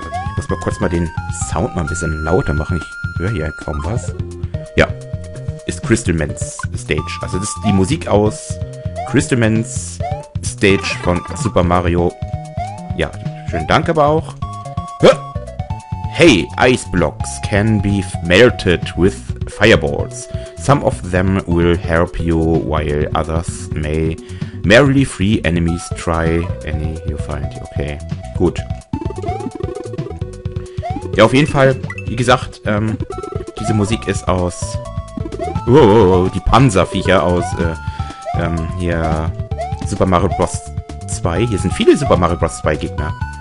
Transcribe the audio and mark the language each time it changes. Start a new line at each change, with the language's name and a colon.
German: Ich muss mal kurz mal den Sound mal ein bisschen lauter machen. Ich höre hier kaum was. Ist Crystal Man's Stage. Also das ist die Musik aus Crystal Man's Stage von Super Mario. Ja, schönen Dank aber auch.
English: Hey, ice blocks can be melted with fireballs. Some of them will help you while others may merely free enemies try any you find.
German: Okay, gut. Ja, auf jeden Fall, wie gesagt, diese Musik ist aus die Panzerviecher aus hier Super Mario Bros. 2. Hier sind viele Super Mario Bros. 2 Gegner.